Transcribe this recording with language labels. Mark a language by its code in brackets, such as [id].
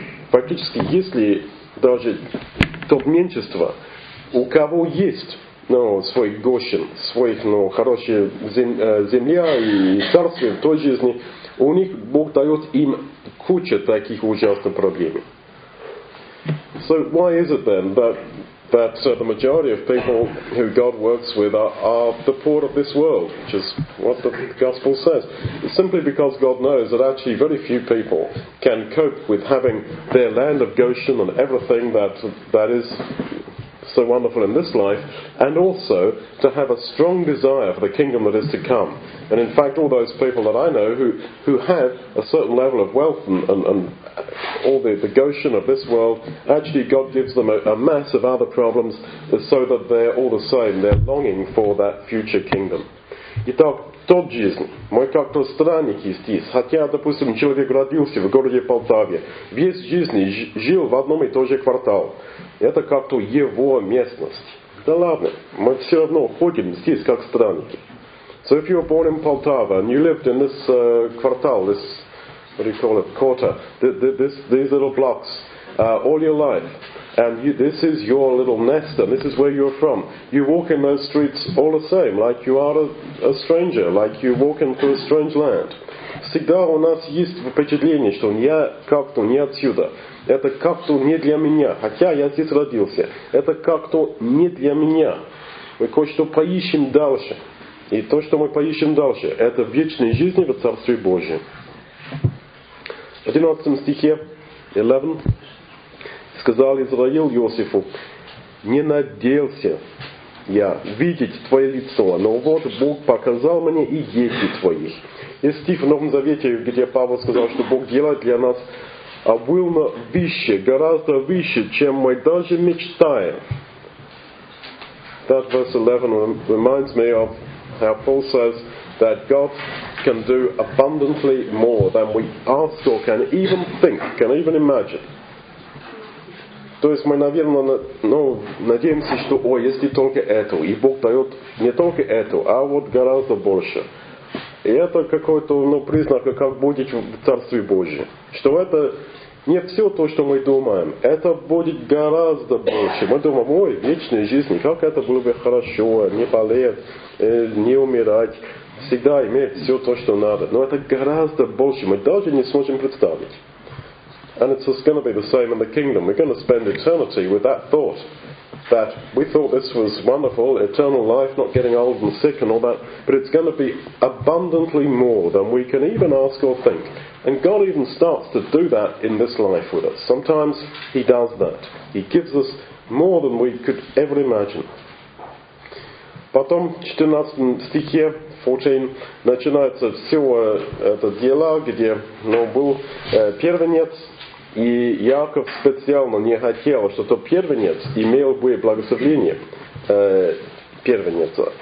[ru] Фактически, если даже то меньшинство, у кого есть свой Гошен, своих хорошая земля и царство в той жизни, у них Бог дает им куча таких ужасных проблем. [en] So why is it then that the majority of people who God works with are the poor of this world, which is what the gospel says? It's simply because God knows that actually very few people can cope with having their land of Goshen and everything that is so wonderful in this life, and also to have a strong desire for the kingdom that is to come. And in fact, all those people that I know who have a certain level of wealth and all the Goshen of this world, actually God gives them a mass of other problems so that they're all the same, they're longing for that future kingdom. [ru] Итак, тот жизнь. Мы как-то странники здесь. Хотя, допустим, человек родился в городе Полтаве. Весь жизнь жил в одном и том же квартале. Это как-то его местность. Да ладно, мы все равно ходим здесь как странники. [en] So if you were born in Poltava and you lived in this quartal, this, what do you call it, quarter, these little blocks, all your life, and you, this is your little nest and this is where you're from, you walk in those streets all the same, like you are a stranger, like you walk into a strange land. [ru] Всегда у нас есть впечатление, что я как-то не отсюда. Это как-то не для меня, хотя я здесь родился. Это как-то не для меня. Мы кое-что поищем дальше. И то, что мы поищем дальше, это вечная жизнь в Царстве Божьем. В 11 стихе, 11, сказал Израил Иосифу, «Не надеялся я видеть твое лицо, но вот Бог показал мне и дети твои». Есть стих в Новом Завете, где Павел сказал, что Бог делает для нас обильно выше, гораздо выше, чем мы даже мечтаем. [en] That verse 11 reminds me of how Paul says that God can do abundantly more than we ask or can even think, can even imagine. [ru] То есть мы, наверное, надеемся, что, если только это, и Бог дает не только это, а вот гораздо больше. И это какой-то признак, как будет в Царстве Божьем. Что это не все то, что мы думаем. Это будет гораздо больше. Мы думаем, вечная жизнь, как это было бы хорошо, не болеть, не умирать. Всегда иметь все то, что надо. Но это гораздо больше. Мы даже не сможем представить. [en] And it's just going to be the same in the kingdom. We're going to spend eternity with that thought. That we thought this was wonderful, eternal life, not getting old and sick and all that. But it's going to be abundantly more than we can even ask or think. And God even starts to do that in this life with us. Sometimes He does that. He gives us more than we could ever imagine. [ru] Потом, 14 стихе, 14, начинается все это дело, где был первенец. И Яков специально не хотел, чтобы первенец имел бы благословение первенца.